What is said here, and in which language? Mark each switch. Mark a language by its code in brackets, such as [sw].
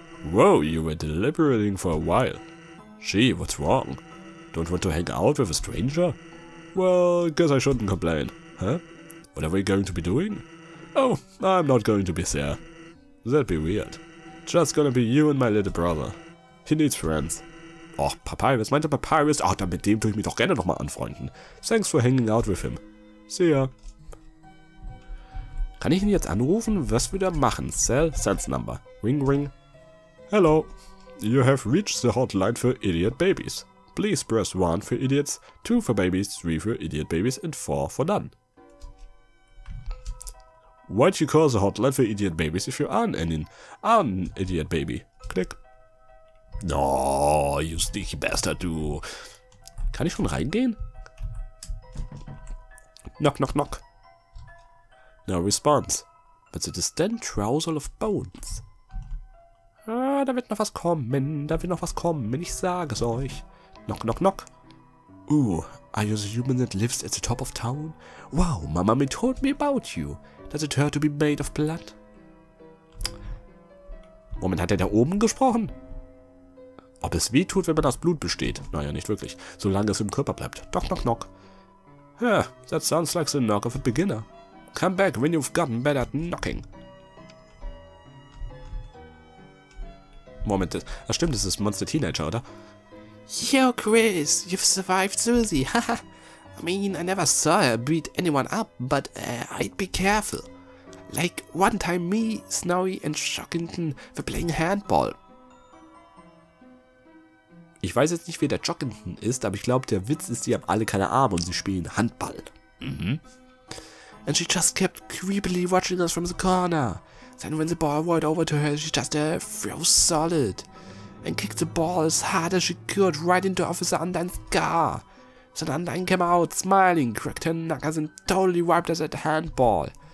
[en] Whoa, you were deliberating for a while. Gee, what's wrong? Don't want to hang out with a stranger? Well, guess I shouldn't complain. Huh? What are we going to be doing? Oh, I'm not going to be there. That'd be weird. Just gonna be you and my little brother. He needs friends. [de] Och, Papyrus, meinte Papyrus? Ach, dann mit dem tue ich mich doch gerne nochmal anfreunden. [en] Thanks for hanging out with him. See ya. [de] Kann ich ihn jetzt anrufen? Was würde er machen? [en] Cell, Sans Number. Ring, ring. Hello. You have reached the hotline for idiot babies. Please press 1 for idiots, 2 for babies, 3 for idiot babies and 4 for none. Why'd you call the hotline for idiot babies if you aren't an idiot baby? Click. No, you sneaky bastard, [de] du. Kann ich schon reingehen? [en] Knock, knock, knock. No response. but the distant trowel of bones. [de] Ah, da wird noch was kommen, da wird noch was kommen, ich sage es euch. [en] Knock, knock, knock. Ooh, are you the human that lives at the top of town? Wow, my mommy told me about you. Does it hurt to be made of blood? [de] Moment, hat er da oben gesprochen? Ob es weh tut, wenn man aus Blut besteht? Naja, nicht wirklich. Solange es im Körper bleibt. [en] Knock, knock, knock. Yeah, that sounds like the knock of a beginner. Come back when you've gotten better at knocking. [de] Moment, das stimmt, das ist Monster Teenager, oder? [en] Yo, Chris, you've survived Susie, haha. I mean, I never saw her beat anyone up, but I'd be careful. Like, one time me, Snowy and Shockington were playing handball. [de] Ich weiß jetzt nicht, wer der Shockington ist, aber ich glaube, der Witz ist, sie haben alle keine Arme und sie spielen Handball. Mhm. [en] And she just kept creepily watching us from the corner. Then when the ball went over to her, she just froze solid. And kicked the ball as hard as she could right into Officer Undyne's car. So Undyne came out smiling, cracked her knuckles and totally wiped us at the handball.